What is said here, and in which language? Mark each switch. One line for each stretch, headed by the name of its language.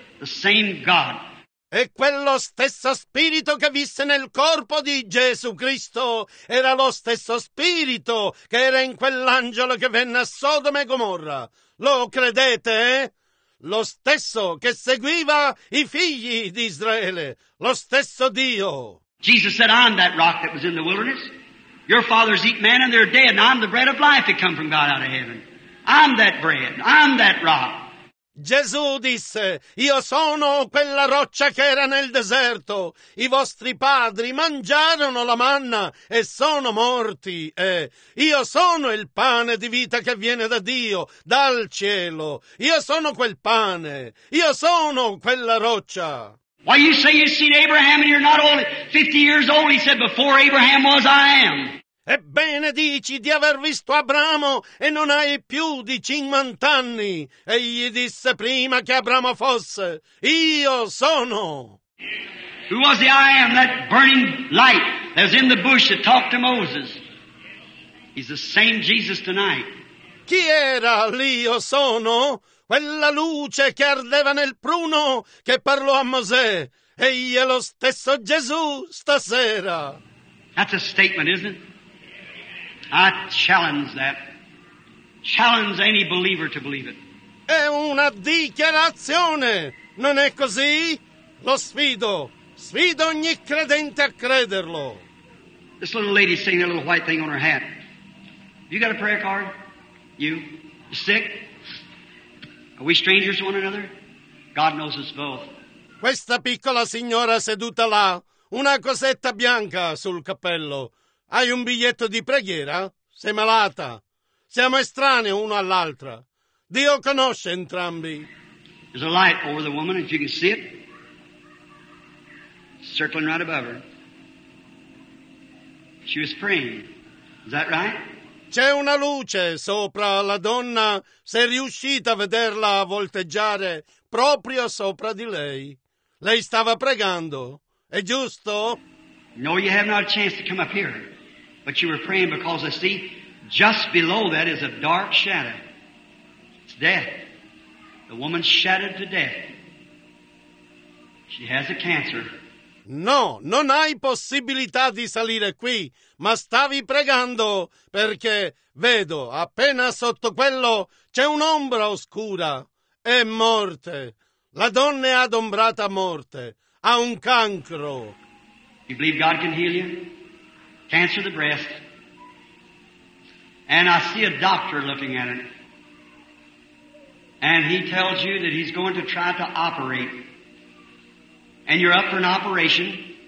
English: The same God.
Italian: E quello stesso spirito che visse nel corpo di Gesù Cristo era lo stesso spirito che era in quell'angelo che venne a Sodoma e Gomorra. Lo credete? Lo stesso che seguiva i figli di Israele. Lo stesso Dio.
English: Jesus said, I'm that rock that was in the wilderness. Your fathers eat manna and they're dead, and I'm the bread of life that come from God out of heaven. I'm that bread. I'm that rock.
Italian: Gesù disse, io sono quella roccia che era nel deserto. I vostri padri mangiarono la manna e sono morti. Io sono il pane di vita che viene da Dio, dal cielo. Io sono quel pane. Io sono quella roccia.
English: Why you say you've seen Abraham and you're not only 50 years old? He said, before Abraham was, I am.
Italian: Ebbene dici di aver visto Abramo e non hai più di 50 anni. Egli disse prima che Abramo fosse, io sono.
English: Who was the I am, that burning light that's in the bush that talked to Moses? He's the same Jesus tonight.
Italian: Chi era l'io sono? Quella luce che ardeva nel pruno che parlò a Mosè. Egli è lo stesso Gesù stasera.
English: That's a statement, isn't it? I challenge that. Challenge any believer to believe it.
Italian: È una dichiarazione. Non è così? Lo sfido. Sfido ogni credente a crederlo.
English: This little lady is seeing a little white thing on her hat. You got a prayer card? You? You sick? Are we strangers to one another? God knows us both.
Italian: Questa piccola signora seduta là, una cosetta bianca sul cappello. Hai un biglietto di preghiera? Sei malata. Siamo estranei uno all'altra. Dio conosce entrambi.
English: There's a light over the woman, if you can see it. Circling right above her. She was praying. Is that right?
Italian: C'è una luce sopra la donna. Sei riuscita a vederla volteggiare proprio sopra di lei. Lei stava pregando. È giusto?
English: No, you have not a chance to come up here. But you were praying because I see just below that is a dark shadow. It's death. The woman's shattered to death. She has a cancer.
Italian: No, non hai possibilità di salire qui, ma stavi pregando perché vedo appena sotto quello c'è un'ombra oscura. È morte. La donna è adombrata a morte. Ha un cancro.
English: You believe God can heal you? Cancer of the breast. And I see a doctor looking at it. And he tells you that he's going to try to operate. And you're up for an operation.